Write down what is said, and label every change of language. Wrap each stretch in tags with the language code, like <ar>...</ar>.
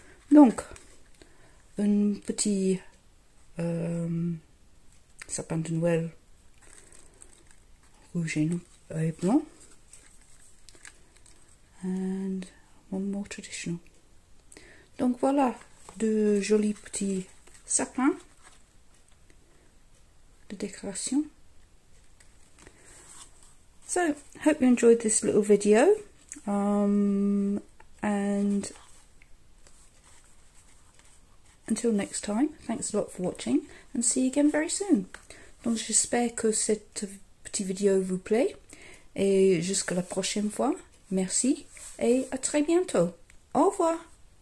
<fr>Donc, un petit sapin de Noël rouge et blanc.</fr> <en>And one more traditional.</en> <fr>Donc voilà, de jolis petits sapins de décoration.</fr> <en>So, hope you enjoyed this little video, and until next time, thanks a lot for watching, and see you again very soon.</en> <fr>Donc j'espère que cette petite vidéo vous plaît, et jusqu'à la prochaine fois, merci, et à très bientôt. Au revoir!</fr>